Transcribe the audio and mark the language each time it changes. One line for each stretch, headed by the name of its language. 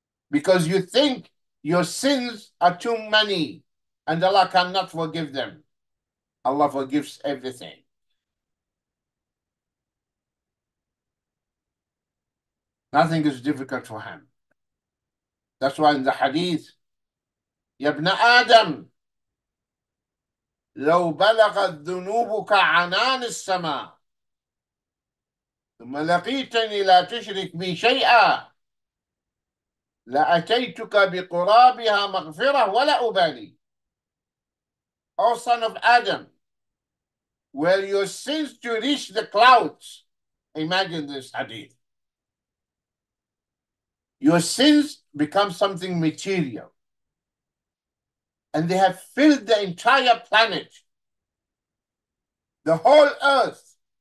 English: Because you think your sins are too many and Allah cannot forgive them. Allah forgives everything. Nothing is difficult for him. That's why in the hadith,
Arabic: Ya ibn Adam, لو بلغت ذنوبك عنان السماء ثم لقيتني لا تشرك بي شيئا لأتيتك بقرابها مغفرة ولا أبالي.
English: O son of Adam, were your sins to reach the clouds? Imagine this hadith. Your sins become something material. And they have filled the entire planet, the whole earth.